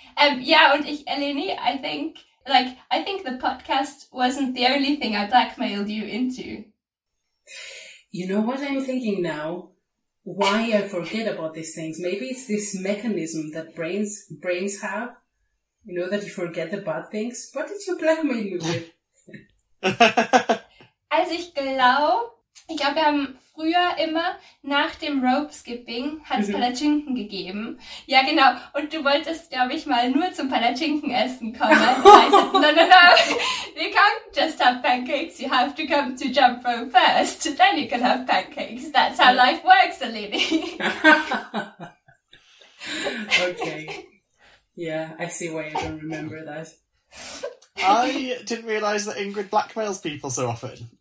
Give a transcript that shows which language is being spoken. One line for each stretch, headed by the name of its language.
English: Eleni, I think the podcast wasn't the only thing I blackmailed you into. You know what I'm thinking now? Why I forget about these things? Maybe it's this mechanism that brains have You know that you forget the bad things? What did you blackmail me with?
German: Also ich glaube, wir haben früher immer nach dem Rope-Skipping hat es Palatschinken gegeben. Ja, genau. Und du wolltest, glaube ich, mal nur zum Palatschinken-Essen kommen.
English: No. You can't just have pancakes. You have to come to jump rope first. Then you can have pancakes. That's how life works, Eleni. Okay. Yeah, I see why you don't remember that. I didn't realize that Ingrid blackmails people so often.